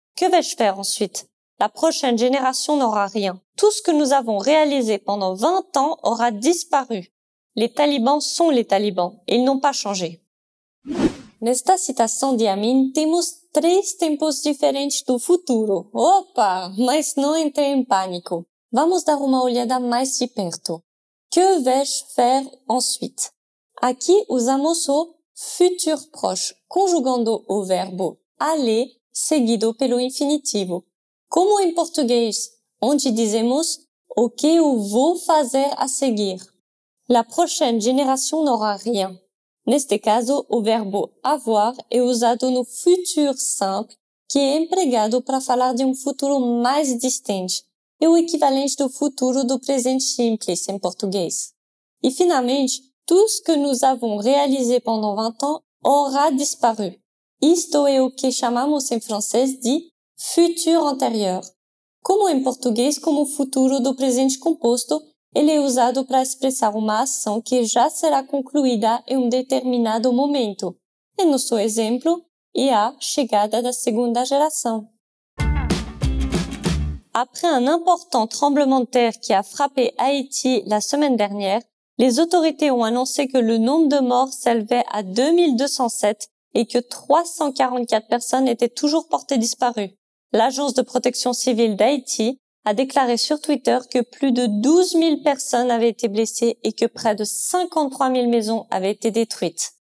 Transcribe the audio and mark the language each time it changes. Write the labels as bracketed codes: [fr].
[fr] Que vais-je faire ensuite? La prochaine génération n'aura rien. Tout ce que nous avons réalisé pendant 20 ans aura disparu. Les talibans sont les talibans et ils n'ont pas changé. [pt] » Nesta citação de Amin, temos três tempos diferentes do futuro. Opa! Mas não entre em pânico. Vamos dar uma olhada mais de perto. [fr] Que vais-je faire ensuite? [pt] Aqui usamos o futur proche, conjugando o verbo aller seguido pelo infinitivo. Como em português, onde dizemos o que eu vou fazer a seguir. [fr] La prochaine génération n'aura rien. [pt] Neste caso, o verbo avoir é usado no futuro simple, que é empregado para falar de um futuro mais distante, é o equivalente do futuro do presente simples em português. E finalmente, [fr] tout ce que nous avons réalisé pendant 20 ans aura disparu. [pt] Isto é o que chamamos em francês de futuro antérieur. Como em português, como o futuro do presente composto, ele é usado para expressar uma ação que já será concluída em um determinado momento. Em nosso exemplo, é a chegada da segunda geração. [fr] Après un important tremblement de terre qui a frappé Haïti la semaine dernière, les autorités ont annoncé que le nombre de morts s'élevait à 2207 et que 344 personnes étaient toujours portées disparues. L'Agence de protection civile d'Haïti a déclaré sur Twitter que plus de 12 000 personnes avaient été blessées et que près de 53 000 maisons avaient été détruites.